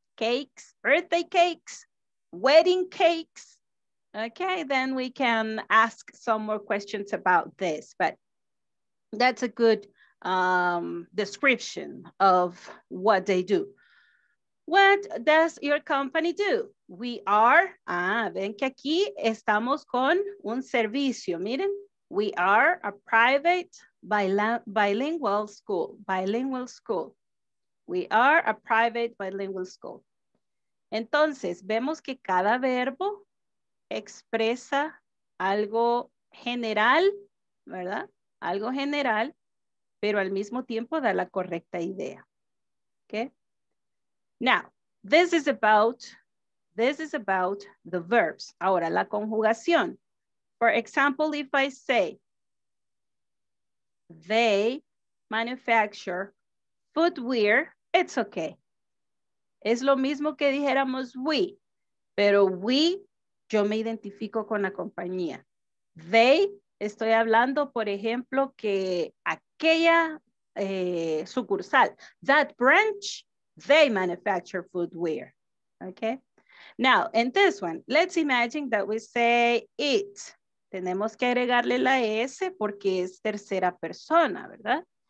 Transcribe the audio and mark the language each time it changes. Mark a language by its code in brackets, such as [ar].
[en] Cakes, birthday cakes, wedding cakes. Okay, then we can ask some more questions about this, but that's a good description of what they do. What does your company do? We are, [es] ven que aquí estamos con un servicio, miren, [en] We are a private bilingual school. Bilingual school. We are a private bilingual school. [es] Entonces, vemos que cada verbo expresa algo general, ¿verdad? Algo general, pero al mismo tiempo da la correcta idea. [en] Okay? Now, this is about the verbs. [es] Ahora, la conjugación. [en] For example, if I say, they manufacture footwear, it's okay. [es] Es lo mismo que dijéramos we, pero we, yo me identifico con la compañía. They, estoy hablando, por ejemplo, que aquella sucursal, [en] that branch, they manufacture footwear, okay? Now, in this one, let's imagine that we say it. [es] Tenemos que agregarle la S porque es tercera persona, ¿verdad?